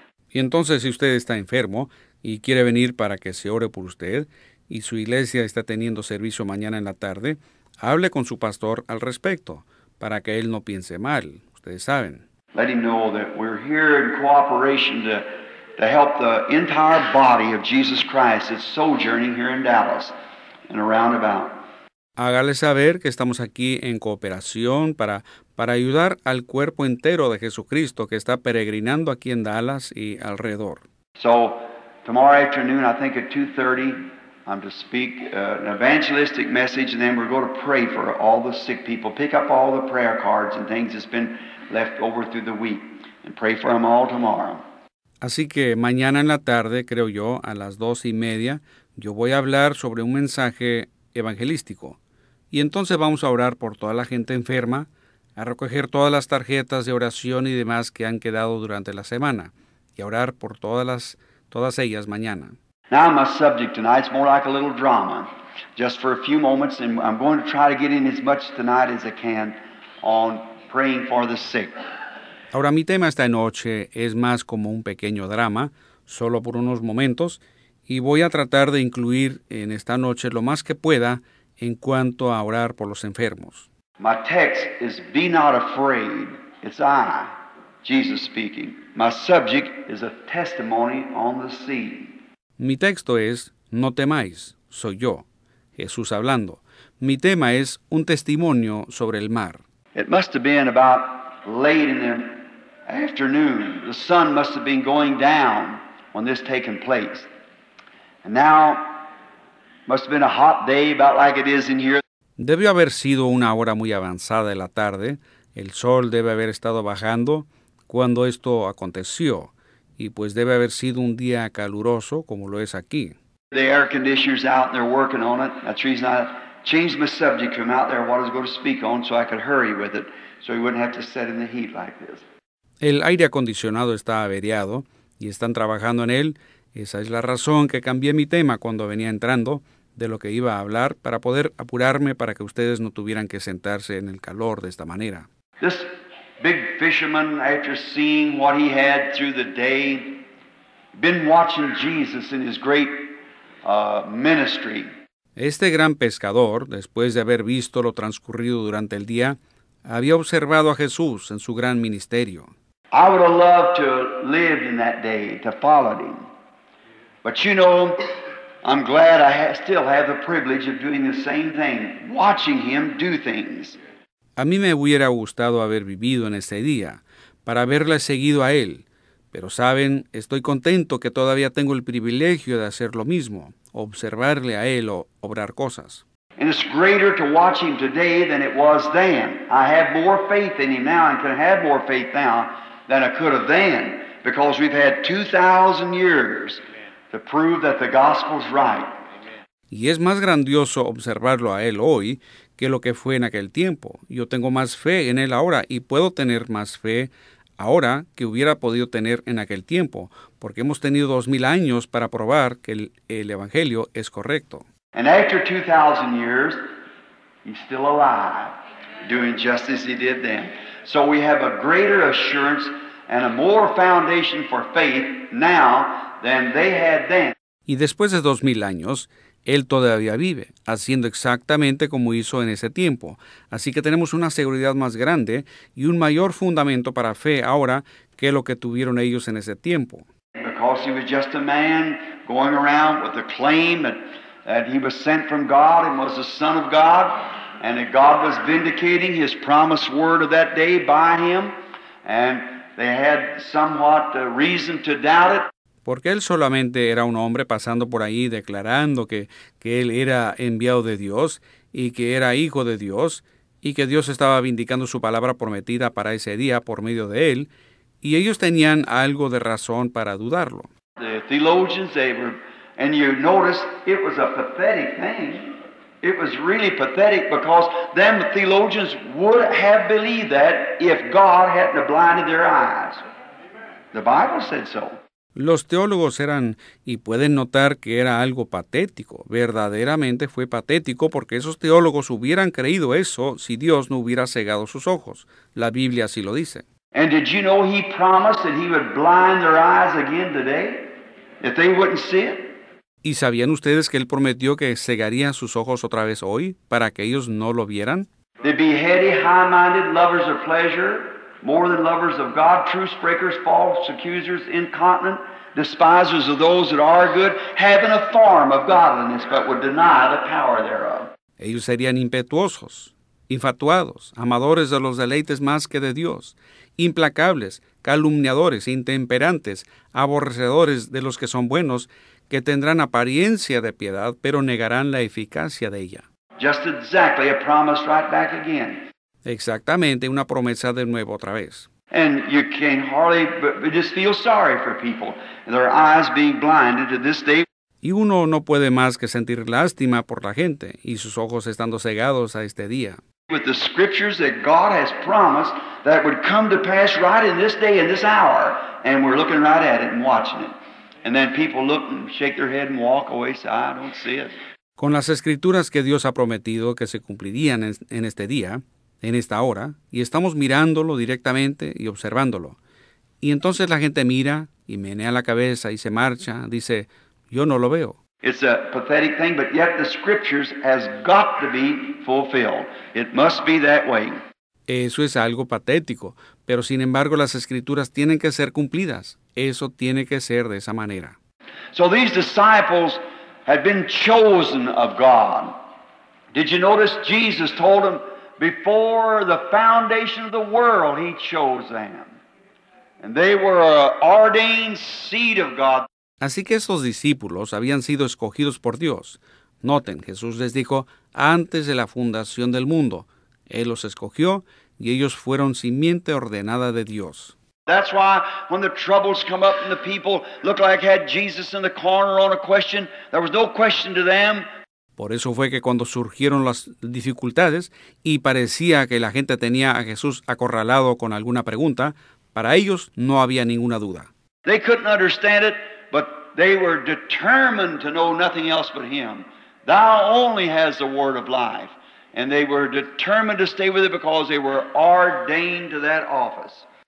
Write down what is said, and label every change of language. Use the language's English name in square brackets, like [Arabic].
[Spanish] Y entonces, si usted está enfermo y quiere venir para que se ore por usted, y su iglesia está teniendo servicio mañana en la tarde, hable con su pastor al respecto, para que él no piense mal, ustedes saben. [English] Let him know that we're here in cooperation to help the entire body of Jesus Christ that's sojourning here in Dallas and around about. [Spanish] Hágale saber que estamos aquí en cooperación para ayudar al cuerpo entero de Jesucristo que está peregrinando aquí en Dallas y alrededor. [English] So, tomorrow afternoon, I think at 2:30, I'm to speak an evangelistic message, and then we're going to pray for all the sick people. Pick up all the prayer cards and things that's been left over through the week, and pray for them all tomorrow. [Spanish] Así que mañana en la tarde, creo yo, a las 2:30, yo voy a hablar sobre un mensaje evangelístico. Y entonces vamos a orar por toda la gente enferma, a recoger todas las tarjetas de oración y demás que han quedado durante la semana, y a orar por todas ellas mañana. [English] Now my subject tonight is more like a little drama, just for a few moments, and I'm going to try to get in as much tonight as I can on praying for the sick. [Spanish] Ahora mi tema esta noche es más como un pequeño drama, solo por unos momentos, y voy a tratar de incluir en esta noche lo más que pueda en cuanto a orar por los enfermos. [English] My text is "Be not afraid." It's I, Jesus speaking. My subject is a testimony on the sea. [Spanish] Mi texto es "No temáis, soy yo, Jesús hablando." Mi tema es un testimonio sobre el mar. [English] It must have been about late in the afternoon. The sun must have been going down when this taken place. And now, must have been a hot day about like it is in here. [Spanish] Debió haber sido una hora muy avanzada de la tarde. El sol debe haber estado bajando cuando esto aconteció. Y pues debe haber sido un día caluroso como lo es aquí. [English] The air conditioner's out and they're working on it. That's the reason I changed my subject from out there what I was going to speak on so I could hurry with it so he wouldn't have to sit in the heat like this. [Spanish] El aire acondicionado está averiado y están trabajando en él. Esa es la razón que cambié mi tema cuando venía entrando de lo que iba a hablar para poder apurarme para que ustedes no tuvieran que sentarse en el calor de esta manera. [English] This big fisherman, after seeing what he had through the day, been watching Jesus in his great ministry. [Spanish] Este gran pescador, después de haber visto lo transcurrido durante el día, había observado a Jesús en su gran ministerio. [English] I would have loved to live in that day, to follow him. But you know, I'm glad I still have the privilege of doing the same thing, watching him do things. [Spanish] A mí me hubiera gustado haber vivido en ese día, para haberle seguido a él. Pero saben, estoy contento que todavía tengo el privilegio de hacer lo mismo, observarle a él o obrar cosas. [English] And it's greater to watch him today than it was then. I have more faith in him now and can have more faith now than I could have then, because we've had 2,000 years to prove that the gospel's right. [Spanish] Y es más grandioso observarlo a él hoy que lo que fue en aquel tiempo. Yo tengo más fe en él ahora y puedo tener más fe ahora que hubiera podido tener en aquel tiempo, porque hemos tenido 2,000 años para probar que el Evangelio es correcto. [English] And after 2,000 years, he's still alive, doing just as he did then. So we have a greater assurance and a more foundation for faith now than they had then. [Spanish] Y después de 2,000 años, él todavía vive, haciendo exactamente como hizo en ese tiempo. Así que tenemos una seguridad más grande y un mayor fundamento para fe ahora que lo que tuvieron ellos en ese tiempo. [English] Because he was just a man going around with the claim that he was sent from God and was the Son of God, and that God was vindicating his promised word of that day by him, and they had somewhat reason to doubt it. [Spanish] Porque él solamente era un hombre pasando por ahí declarando que él era enviado de Dios y que era hijo de Dios y que Dios estaba vindicando su palabra prometida para ese día por medio de él. Y ellos tenían algo de razón para dudarlo. [English] The theologians, they were, and you notice it was a pathetic thing. It was really pathetic because them theologians would have believed that if God hadn't blinded their eyes. The Bible said so. [Spanish] Los teólogos eran, y pueden notar que era algo patético, verdaderamente fue patético porque esos teólogos hubieran creído eso si Dios no hubiera cegado sus ojos. La Biblia así lo dice. [English] And did you know he promised that he would blind their eyes again today, if they wouldn't see it? [Spanish] ¿Y sabían ustedes que él prometió que cegaría sus ojos otra vez hoy para que ellos no lo vieran? [English] The beheaded, high-minded lovers of pleasure, more than lovers of God, truce-breakers, false accusers, incontinent, despisers of those that are good, having a form of godliness, but would deny the power thereof. [Spanish] Ellos serían impetuosos, infatuados, amadores de los deleites más que de Dios, implacables, calumniadores, intemperantes, aborrecedores de los que son buenos, que tendrán apariencia de piedad, pero negarán la eficacia de ella. [English] Just exactly a promise right back again. [Spanish] Exactamente, una promesa de nuevo otra vez. [English] And you can hardly but just feel sorry for people and their eyes being blinded to this day. [Spanish] Y uno no puede más que sentir lástima por la gente y sus ojos estando cegados a este día. [English] With the scriptures that God has promised that would come to pass right in this day, in this hour, and we're looking right at it and watching it. And then people look and shake their head and walk away, say, I don't see it. [Spanish] Con las escrituras que Dios ha prometido que se cumplirían en este día, en esta hora, y estamos mirándolo directamente y observándolo. Y entonces la gente mira y menea la cabeza y se marcha, dice, yo no lo veo. [English] It's a pathetic thing, but yet the scriptures has got to be fulfilled. It must be that way. [Spanish] Eso es algo patético, pero sin embargo las escrituras tienen que ser cumplidas. Eso tiene que ser de esa manera. [English] So these disciples had been chosen of God. Did you notice Jesus told them before the foundation of the world he chose them? And they were an ordained seed of God. [Spanish] Así que esos discípulos habían sido escogidos por Dios. Noten, Jesús les dijo, antes de la fundación del mundo, Él los escogió y ellos fueron simiente ordenada de Dios. [English] That's why when the troubles come up and the people look like had Jesus in the corner on a question, there was no question to them. [Spanish] Por eso fue que cuando surgieron las dificultades y parecía que la gente tenía a Jesús acorralado con alguna pregunta, para ellos no había ninguna duda. [English] They couldn't understand it, but they were determined to know nothing else but Him. Thou only has the word of life. And they were determined to stay with it because they were ordained to that office.